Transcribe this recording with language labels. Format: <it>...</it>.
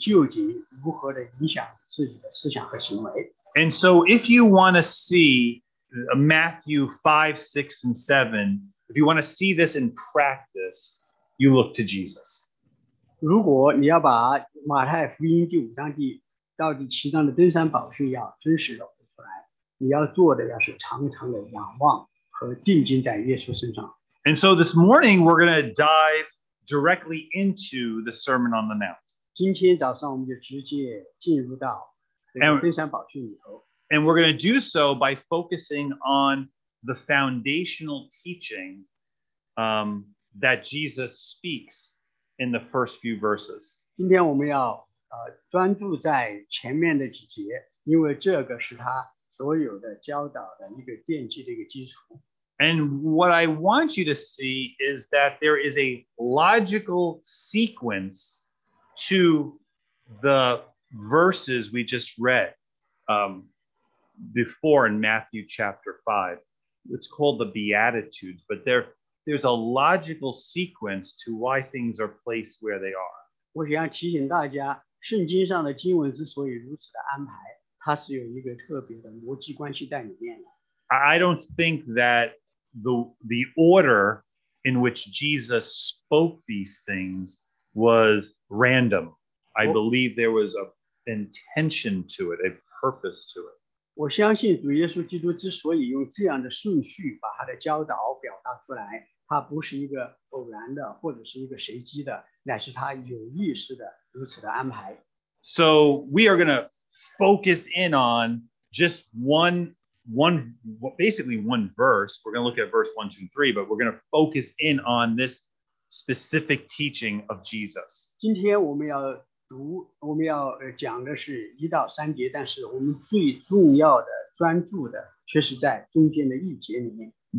<zh>第二个问题和第一个问题相关的是说，登山宝训究竟如何的影响自己的思想和行为？</zh> <en>And so if you want to see Matthew 5, 6, and 7, if you want to see this in practice, you look to Jesus.</en> <zh>如果你要把马太福音第五章到第七章的登山宝训要真实的活出来, 你要做的要是常常的仰望和定睛在耶稣身上。</zh> <en>And so this morning, we're going to dive directly into the Sermon on the Mount.</en> <zh>今天早上我们就直接进入到登山宝训里头。</zh> <en>And we're going to do so by focusing on the foundational teaching, that Jesus speaks in the first few verses.</en> <zh>今天我们要专注在前面的几节，因为这个是他所有的教导的一个奠基的一个基础。</zh> <en>And what I want you to see is that there is a logical sequence to the verses we just read before in Matthew chapter 5. It's called the Beatitudes, but there's a logical sequence to why things are placed where they are.</en> <zh>我想提醒大家，圣经上的经文之所以如此的安排，它是有一个特别的逻辑关系在里面的。</zh> <en>I don't think that the order in which Jesus spoke these things was random. I believe there was an intention to it, a purpose to it.</en> <zh>我相信主耶稣基督之所以用这样的顺序把他的教导表达出来，他不是一个偶然的或者是一个随机的，乃是他有意识的如此的安排。</zh> <en>So we are going to focus in on just one verse. We're going to look at verse 1, 2, 3, but we're going to focus in on this specific teaching of Jesus.</en> <zh>今天我们要读，我们要讲的是一到三节，但是我们最重要的专注的却是在中间的一节里面。</zh>